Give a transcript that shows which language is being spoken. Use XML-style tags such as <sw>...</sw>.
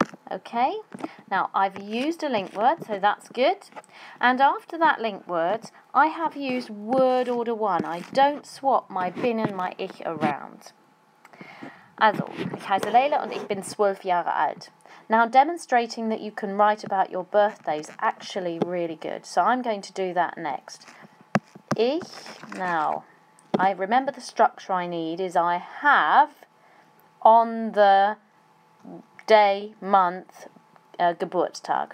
<en>Okay, now I've used a link word, so that's good. And after that link word, I have used word order one. I don't swap my bin and my ich around.</en> <de>Also, ich heiße Leila und ich bin 12 Jahre alt.</de> <en>Now, demonstrating that you can write about your birthday is actually really good. So I'm going to do that next. Ich, now, I remember the structure I need is I have on the day, month, Geburtstag.</en>